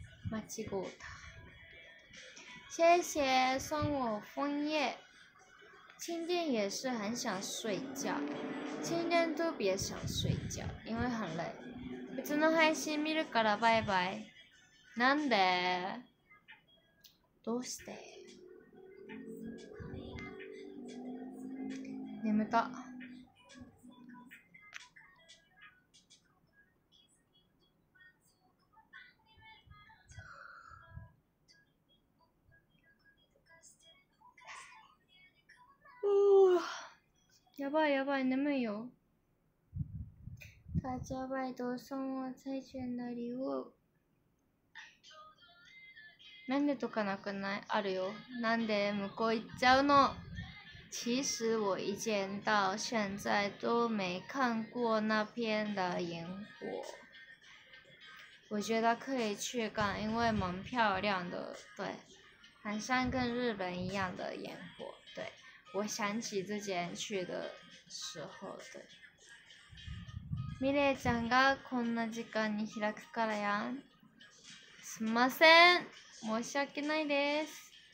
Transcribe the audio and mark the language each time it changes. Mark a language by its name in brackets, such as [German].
[Chinese] 马吉古塔，谢谢送我枫叶。今天也是很想睡觉，今天特别想睡觉，因为很累。 [Japanese] 別の配信見るからバイバイ。なんで？どうして？眠た。やばいやばい眠いよ。 [Chinese] 大家拜托送我猜拳的礼物。 [Japanese] なんでとかなくないあるよ。なんで向こう行っちゃうの？ [Chinese] 其实我一见到现在都没看过那片的烟火。我觉得可以去看，因为蛮漂亮的，对，很像跟日本一样的烟火。我想起之前去的时候的。 [Japanese] ミレイちゃんがこんな時間に開くからやん。すみません。申し訳ないです。